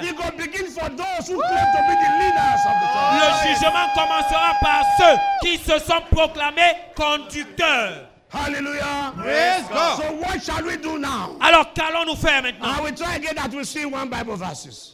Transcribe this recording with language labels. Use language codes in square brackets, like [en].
[en] It will begin for those who claim to be the leaders of the church. [fr] Le jugement commencera par ceux qui se sont proclamés conducteurs. [en] Hallelujah. Praise God. So what shall we do now? [fr] Alors qu'allons-nous faire maintenant? [en] I will try again that we see one Bible verses.